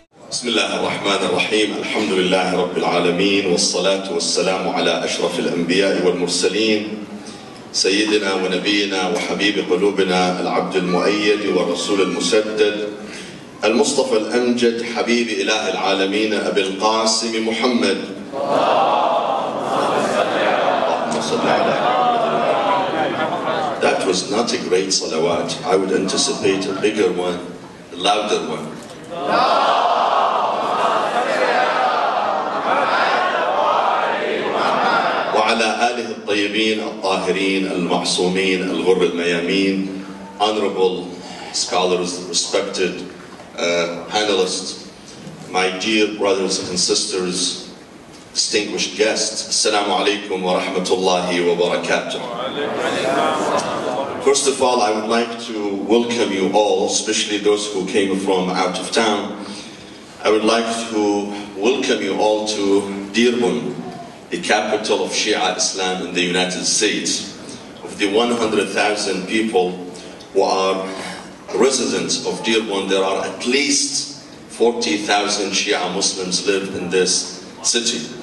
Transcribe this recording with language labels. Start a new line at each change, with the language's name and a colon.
Arabic: بسم الله الرحمن الرحيم الحمد لله رب العالمين والصلاة والسلام على أشرف الأنبياء والمرسلين سيدنا ونبينا وحبيب قلوبنا العبد المؤيد والرسول المسدد المصطفى الأمجد حبيب إله العالمين أبي القاسم محمد اللهم صل على محمد.
English: That was not a great salawat. I would anticipate a bigger one, a louder one.
Arabic: وعلى آله الطيبين الطاهرين المعصومين الغر الميامين
English: honorable scholars, respected panelists, my dear brothers and sisters, distinguished guests,
Arabic: السلام عليكم ورحمة الله وبركاته.
English: First of all, I would like to welcome you all, especially those who came from out of town. I would like to welcome you all to Dearborn, the capital of Shia Islam in the United States. Of the 100,000 people who are residents of Dearborn, there are at least 40,000 Shia Muslims live in this city.